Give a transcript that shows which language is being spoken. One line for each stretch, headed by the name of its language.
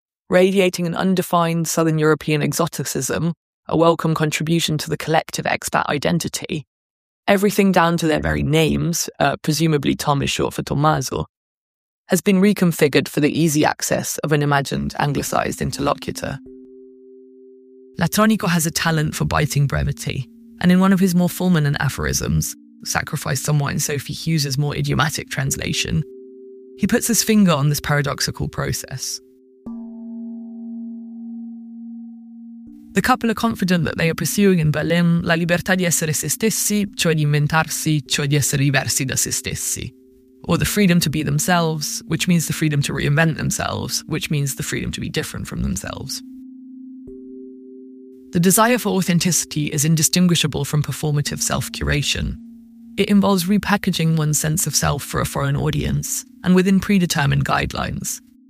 English: Radiating an undefined Southern European exoticism, a welcome contribution to the collective expat identity, everything down to their very names, presumably Tom is short for Tommaso, has been reconfigured for the easy access of an imagined anglicised interlocutor. Latronico has a talent for biting brevity, and in one of his more fulminant aphorisms, sacrificed somewhat in Sophie Hughes's more idiomatic translation, he puts his finger on this paradoxical process. The couple are confident that they are pursuing in Berlin
Italian: la libertà di essere se stessi, cioè di inventarsi, cioè di essere diversi da se stessi.
English: Or the freedom to be themselves, which means the freedom to reinvent themselves, which means the freedom to be different from themselves. The desire for authenticity is indistinguishable from performative self-curation. It involves repackaging one's sense of self for a foreign audience and within predetermined guidelines.